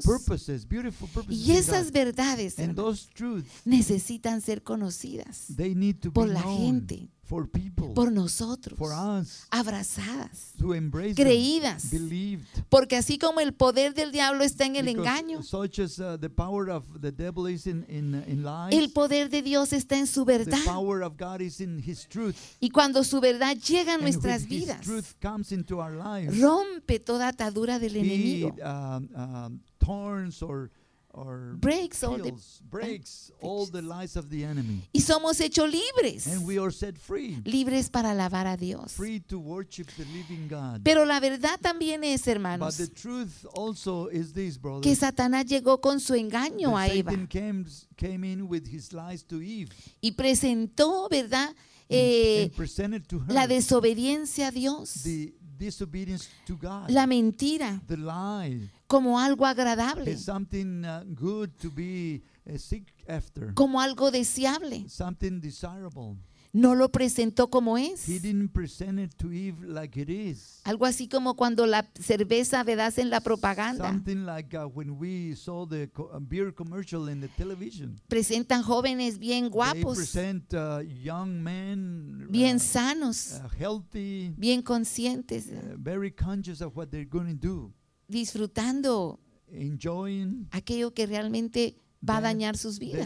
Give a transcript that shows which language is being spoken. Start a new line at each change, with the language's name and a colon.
English: Purposes, beautiful purposes.
Spanish: Y esas verdades, hermanos, necesitan ser conocidas por la gente,
English: for people,
Spanish: por nosotros,
English: for us,
Spanish: abrazadas,
English: to embrace,
Spanish: creídas,
English: believed,
Spanish: porque así como el poder del diablo está en el engaño,
English: such as the power of the devil is in lies,
Spanish: el poder de Dios está en su verdad,
English: the power of God is in his truth,
Spanish: y cuando su verdad llega a nuestras vidas,
English: his truth comes into our lives,
Spanish: rompe toda atadura del enemigo,
English: thorns or breaks kills, all the lies of the enemy.
Spanish: Y somos hechos libres.
English: And we are set free.
Spanish: Libres para alabar a Dios.
English: Free to worship the living God.
Spanish: Pero la verdad también es, hermanos,
English: but the truth also is this, brothers,
Spanish: que Satanás llegó con su engaño a
English: Satan
Spanish: Eva.
English: Satan came in with his lies to Eve.
Spanish: Y presentó, ¿verdad?
English: Presented to her
Spanish: la desobediencia a Dios.
English: The disobedience to God.
Spanish: La mentira.
English: The lie.
Spanish: Como algo agradable.
English: It's something good to be seek after.
Spanish: Como algo deseable.
English: Something desirable.
Spanish: No lo presentó como es.
English: He didn't present it to Eve like it is.
Spanish: Algo así como cuando la cerveza vedas en la propaganda.
English: Something like when we saw the beer commercial in the television.
Spanish: Presentan jóvenes bien guapos.
English: They present young men.
Spanish: Bien sanos.
English: Healthy.
Spanish: Bien conscientes.
English: Very conscious of what they're going to do.
Spanish: Disfrutando
English: enjoying
Spanish: aquello que realmente va a dañar sus vidas.